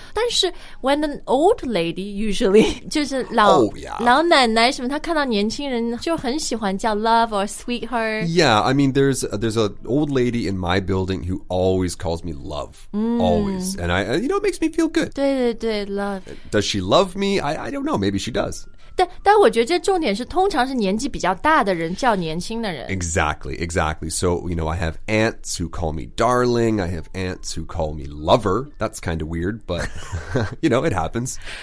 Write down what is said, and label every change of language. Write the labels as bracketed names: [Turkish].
[Chinese] 但是 when an old lady usually 就是老奶奶什么，她看到年轻人就很喜欢叫 love or sweetheart. [English] Yeah, I mean, there's an old lady in my building who always calls me love, always, and I you know it makes me feel good. [Chinese] 对对对 ，love. [English] Does she love me? I don't know. Maybe she does. [Chinese] 但我觉得这重点是通常是年纪比较大的人叫年轻的人。 [English] Exactly, exactly. So, you know, I have aunts who call me darling. I have aunts who call me lover. That's kind of weird, but, you know, it happens.